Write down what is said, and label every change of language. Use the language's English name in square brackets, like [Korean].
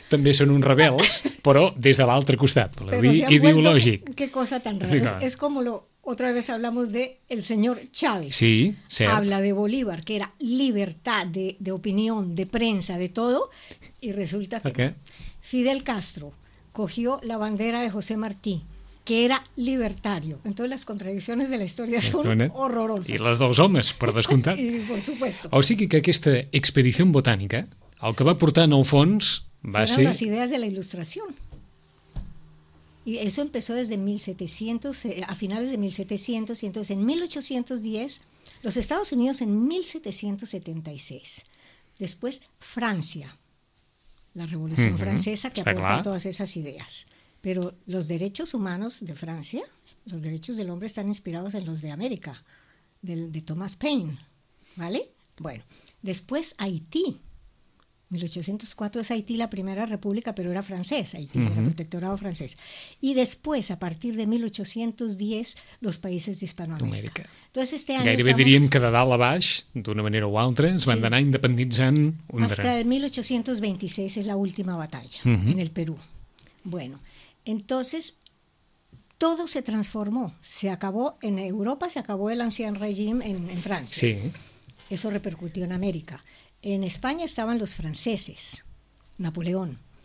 [Catalan] També són uns rebels, però des de l'altre costat, per dir, ideològic. [Spanish] Qué cosa tan rara. Es como lo... Otra vez hablamos de el señor Chávez. [Catalan] Sí, cert. [Spanish] Habla de Bolívar, que era libertad de opinión, de prensa, de todo, y resulta que Fidel Castro cogió la bandera de José Martí, que era libertario. Entonces las contradicciones de la historia son horrorosas. [Catalan] I les dels homes, per descomptat. I, [Spanish] por supuesto. [Catalan] O sigui que aquesta expedició botànica... El que va portar en el fons va [Spanish] eran [Catalan] ser... [Spanish] Eran las ideas de la ilustración. Y eso empezó desde 1700, a finales de 1700, y entonces en 1810, los Estados Unidos en 1776. Después Francia, la Revolución Francesa, que aportó todas esas ideas. Pero los derechos humanos de Francia, los derechos del hombre están inspirados en los de América, de Thomas Paine, ¿vale? Bueno, después Haití. 1804 es Haití la primera república, pero era francesa, Haití, era protectorado francés. Y después, a partir de 1810, los países de Hispanoamérica. América. Entonces, este año [Catalan] gairebé diríem que de dalt a baix, d'una manera o altra, es van anar independitzant un dret. [Spanish] Hasta el 1826 es la última batalla en el Perú. Bueno, entonces, todo se transformó. Se acabó en Europa, se acabó el ancien régimen en Francia. Sí. Eso repercutió en América. En España estaban los franceses, Napoleón.